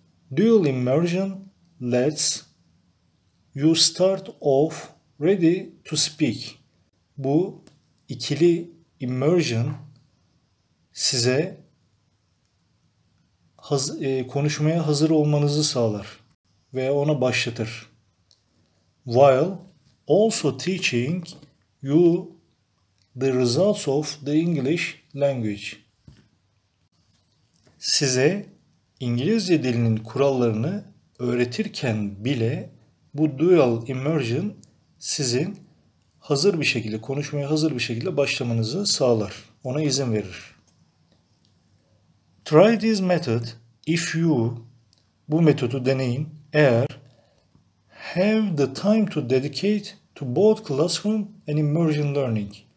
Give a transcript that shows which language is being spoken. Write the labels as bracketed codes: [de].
[en] Dual immersion lets you start off ready to speak. [tr] Bu ikili immersion size konuşmaya hazır olmanızı sağlar ve ona başlatır. [en] While also teaching you the results of the English language. [tr] Size İngilizce dilinin kurallarını öğretirken bile bu dual immersion sizin hazır bir şekilde, konuşmaya hazır bir şekilde başlamanızı sağlar. Ona izin verir. [en] Try this method if you, [tr] bu metodu deneyin, eğer [en] have the time to dedicate to both classroom and immersion learning.